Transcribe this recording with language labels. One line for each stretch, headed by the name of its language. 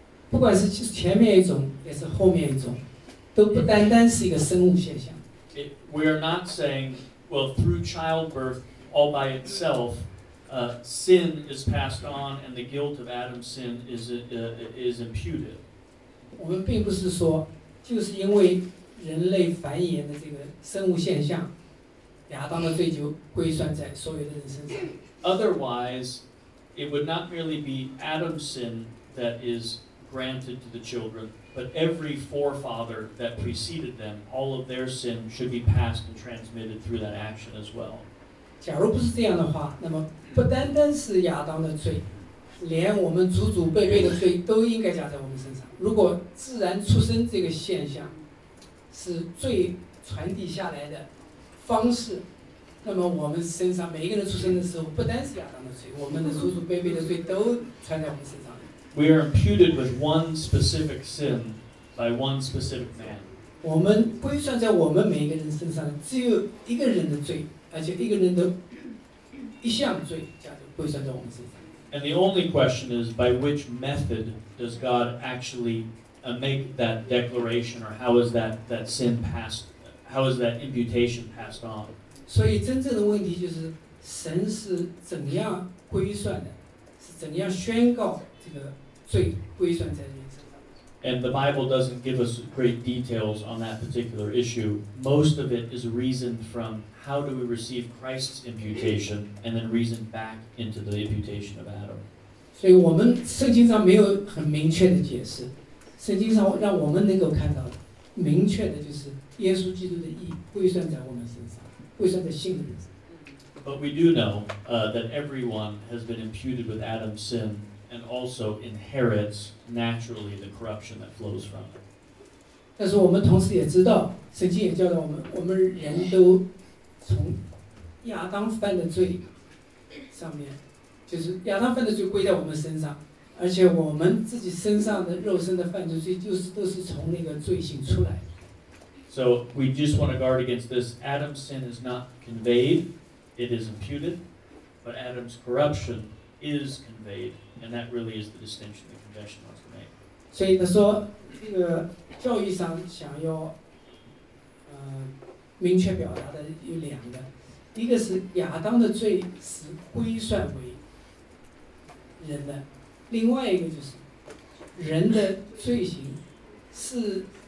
Chinese: 不管是前面一种，也是后面一种，都不单单是一个生物现象。
English: We are not saying, well, through childbirth all by itself. Sin is passed on, and the guilt of Adam's sin is imputed.
Chinese: 我们并不是说，就是因为人类繁衍的这个生物现象，亚当的罪就归算在所有的人身上。
English: Otherwise, it would not merely be Adam's sin that is granted to the children, but every forefather that preceded them, all of their sin should be passed and transmitted through that action as well.
Chinese: 假如不是这样的话，那么不单单是亚当的罪，连我们祖祖辈辈的罪都应该加在我们身上。如果自然出生这个现象是罪传递下来的方式，那么我们身上每一个人出生的时候，不单是亚当的罪，我们的祖祖辈辈的罪都传在我们身上。
English: We are imputed with one specific sin by one specific man.
Chinese: 我们归算在我们每一个人身上，只有一个人的罪。而且一个人的一项罪加在归算在我们身上。
English: And the only question is, by which method does God actually make that declaration, or how is that sin passed, how is that imputation passed on?
Chinese: 所以真正的问题就是，神是怎样归算的，是怎样宣告这个罪归算在人身上。
English: And the Bible doesn't give us great details on that particular issue. Most of it is reasoned from. How do we receive Christ's imputation and then reason back into the imputation of Adam?
Chinese: 所以我们圣经上没有很明确的解释。圣经上让我们能够看到明确的就是耶稣基督的义归算在我们身上，归算在信的人上。
English: But we do know, that everyone has been imputed with Adam's sin and also inherits naturally the corruption that flows from it.
Chinese: 但是我们同时也知道，圣经也教导我们，我们人都从亚当犯的罪上面，就是亚当犯的罪归在我们身上，而且我们自己身上的肉身的犯罪罪就是都是从那个罪行出来。
English: So we just want to guard against this. Adam's sin is not conveyed, it is imputed, but Adam's corruption is conveyed, and that really is the distinction the confession wants to make.
Chinese: 所以他说，这个教义上想要，明确表达的有两个，一个是亚当的罪是归算为人的，另外一个就是人的罪行是。